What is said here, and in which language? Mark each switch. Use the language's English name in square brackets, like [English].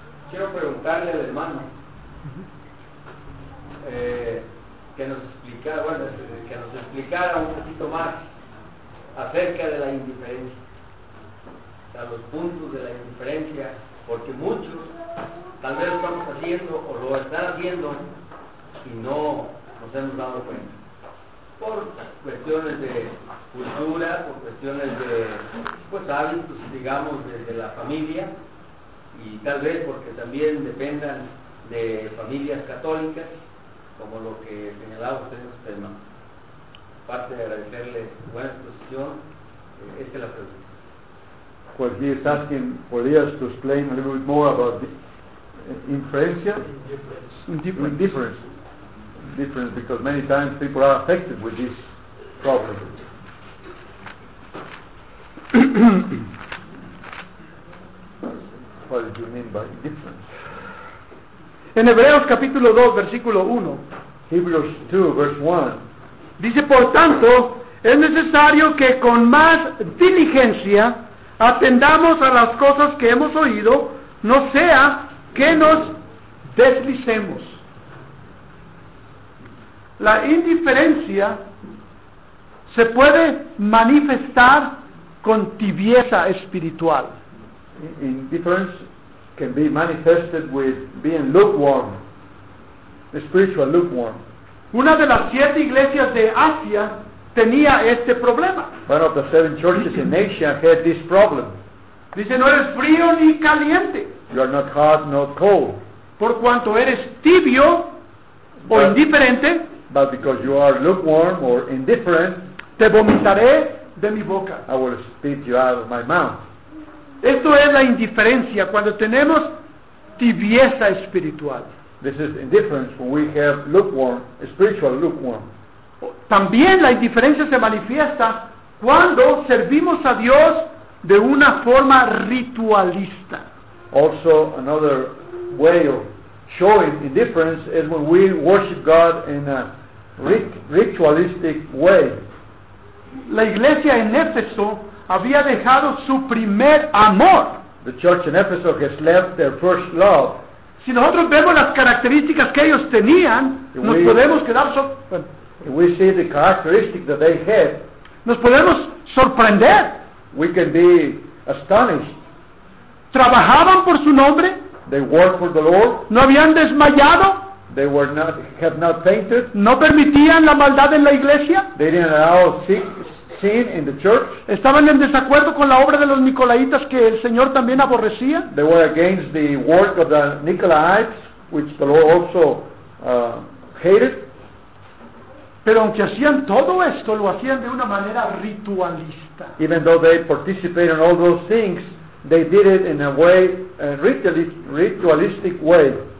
[Spanish] Quiero preguntarle al hermano, que nos explicara un poquito más acerca de la indiferencia, a los puntos de la indiferencia, porque muchos tal vez lo estamos haciendo o lo están haciendo y no nos hemos dado cuenta, por cuestiones de cultura, por cuestiones de, pues, hábitos, digamos, de la familia, y tal vez porque también dependan de familias católicas, como lo que señalaba usted en su tema. Aparte de agradecerle su buena exposición, esta es la pregunta. [English] Well, he is asking, podrías to explain a little bit more about the influencia? Indifference. Indifference. Indifference, because many times people are affected with this problem. What do you mean by indifference? [Spanish] En Hebreos capítulo 2, versículo 1. [English] Hebrews 2, verse 1. [Spanish] Dice, por tanto, es necesario que con más diligencia atendamos a las cosas que hemos oído, no sea que nos deslicemos. La indiferencia se puede manifestar con tibieza espiritual. [English] Indifference can be manifested with being lukewarm, spiritual lukewarm. [Spanish] Una de las siete iglesias de Asia tenía este problema. [English] One of the seven churches in Asia had this problem. [Spanish] Dice, no eres frío ni caliente. [English] You are not hot nor cold. [Spanish] Por cuanto eres tibio o indiferente, [English] but because you are lukewarm or indifferent, [Spanish] te vomitaré de mi boca. [English] I will spit you out of my mouth. [Spanish] Esto es la indiferencia, cuando tenemos tibieza espiritual. [English] This is indifference when we have lukewarm, spiritual lukewarm. [Spanish] También la indiferencia se manifiesta cuando servimos a Dios de una forma ritualista. [English] Also, another way of showing indifference is when we worship God in a ritualistic way. [Spanish] La iglesia en Éfeso había dejado su primer amor. [English] The church in Ephesus has left their first love. [Spanish] Si nosotros vemos las características que ellos tenían, [English] if we see the characteristic that they had, [Spanish] nos podemos sorprender. [English] We can be astonished. [Spanish] Trabajaban por su nombre. [English] They worked for the Lord. [Spanish] No habían desmayado. [English] They were not, have not fainted. [Spanish] No permitían la maldad en la iglesia. [English] They didn't allow sin in the church. [Spanish] Estaban en desacuerdo con la obra de los Nicolaitas que el Señor también aborrecía. [English] They were against the work of the Nicolaites, which the Lord also hated. [Spanish] Pero aunque hacían todo esto, lo hacían de una manera ritualista. [English] Even though they participated in all those things, they did it in a way, a ritualistic way.